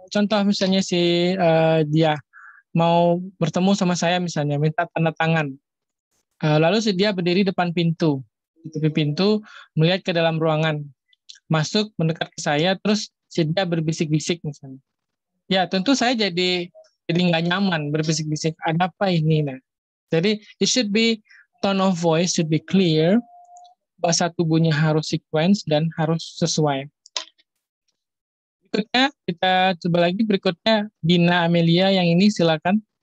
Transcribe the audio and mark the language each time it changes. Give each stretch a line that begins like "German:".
Indonesian: contoh misalnya si dia mau bertemu sama saya misalnya, minta tanda tangan. Lalu si dia berdiri depan pintu, di tepi pintu, melihat ke dalam ruangan. Masuk, mendekat ke saya, terus si dia berbisik-bisik misalnya. Ya, tentu saya jadi nggak nyaman berbisik-bisik. Ada apa ini? Nah.
English: Jadi, it should be tone of voice, should be clear.
Indonesian: Bahasa tubuhnya harus sequence dan harus sesuai. Berikutnya, kita coba lagi berikutnya. Dina Amelia yang ini, silakan.